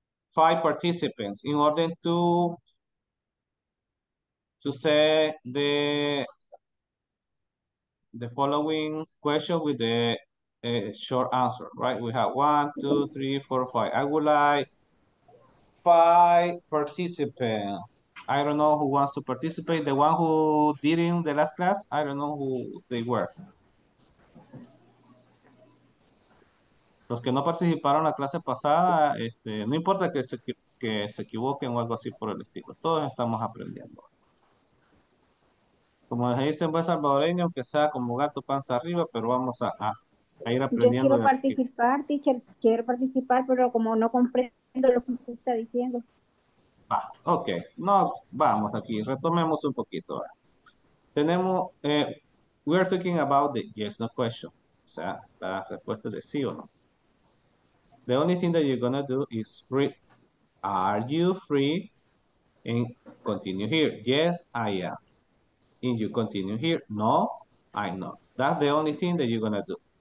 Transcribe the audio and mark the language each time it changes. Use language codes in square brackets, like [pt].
[en] five participants in order to say the following question with the short answer, right? We have 1, 2, 3, 4, 5. I would like 5 participants. I don't know who wants to participate. The one who did in the last class, I don't know who they were. [es] Los que no participaron en la clase pasada, no importa que se equivoquen o algo así por el estilo. Todos estamos aprendiendo. Como les dicen en buen salvadoreño, que sea como gato panza arriba, pero vamos a ir aprendiendo. Yo quiero participar, teacher. Quiero participar, pero como no comprendo lo que usted está diciendo. Ah, ok. No, vamos aquí. Retomemos un poquito. Tenemos, [en] we are thinking about the yes, no question. [es] O sea, la respuesta de sí o no. [en] The only thing that you're gonna do is read. Are you free? And continue here. Yes, I am. And you continue here. No, I'm not. That's the only thing that you're gonna do.